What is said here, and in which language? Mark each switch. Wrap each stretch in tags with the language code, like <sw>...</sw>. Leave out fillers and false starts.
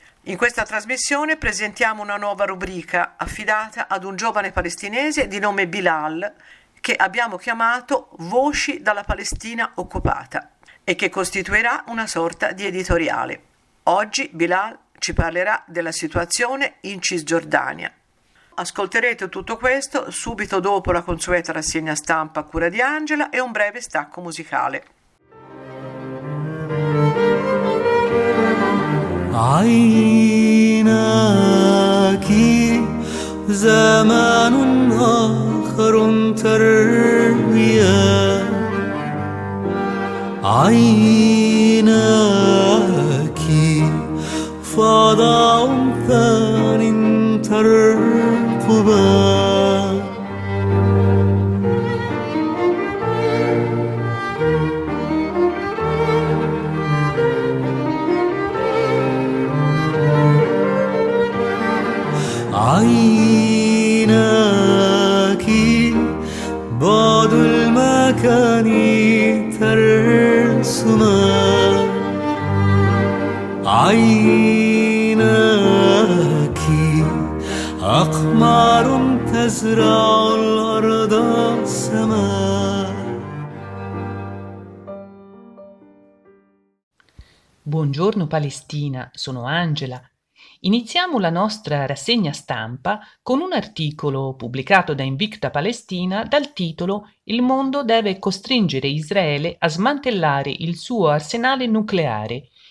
<it>In questa trasmissione presentiamo una nuova rubrica affidata ad un giovane palestinese di nome Bilal, che abbiamo chiamato Voci dalla Palestina occupata e che costituirà una sorta di editoriale. Oggi Bilal ci parlerà della situazione in Cisgiordania. Ascolterete tutto questo subito dopo la consueta rassegna stampa a cura di Angela e un breve stacco musicale.</it> <ar>عينك زمان آخر ترميا عينك فضاء ثان ترقبا عينك بعد المكان ترسما عينك أقمار تزرع الأرض السماء.</ar> <it>Buongiorno Palestina, sono Angela. Iniziamo la nostra rassegna stampa con un articolo pubblicato da Invicta Palestina dal titolo «Il mondo deve costringere Israele a smantellare il suo arsenale nucleare».</it>